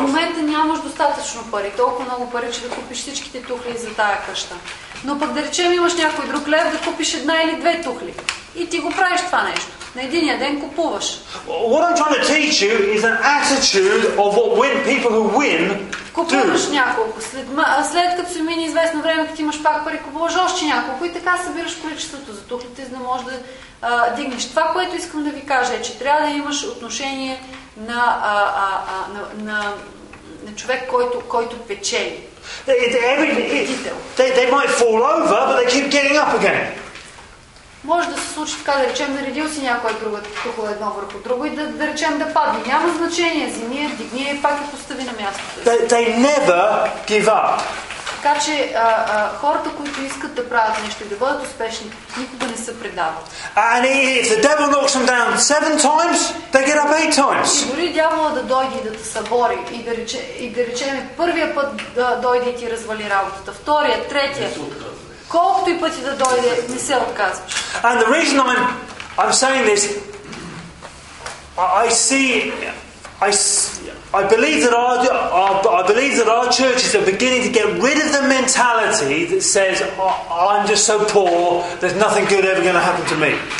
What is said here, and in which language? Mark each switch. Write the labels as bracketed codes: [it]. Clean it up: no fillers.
[bg] В момента нямаш достатъчно пари, толкова много пари, че да купиш всичките тухли за тая къща. Но пък да речем, имаш някой друг лев, да купиш една или две тухли. И ти го правиш това нещо. На единия ден купуваш. [en] What I'm trying to teach you is an attitude of what win people who win do. [bg] Купуваш няколко. След като си мини известно време, като имаш пак пари, купуваш още няколко и така събираш количеството за тухлите, за да можеш да дигнеш. Това, което искам да ви кажа, е, че трябва да имаш отношение на, на човек, който печели. [en] They might fall over, but they keep getting up again. [bg] Може да се случи така, да речем, наредил си някой друг тухло едно върху друго и да речем да падне. Няма значение, земи я, дигни я и пак я постави на място. [en] They never give up. [bg] Така че хората, които искат да правят нещо и да бъдат успешни, никога не се предават. [en] And if the devil knocks them down 7 times, they get up 8 times. [bg] И дори дявола да дойде и да те събори и да речем, първия път да дойде и ти развали работата, втория, третия, колкото и пъти да дойде, не се отказваш. [en] And the reason I'm saying this, I believe that our churches are beginning to get rid of the mentality that says, oh, I'm just so poor, there's nothing good ever going to happen to me.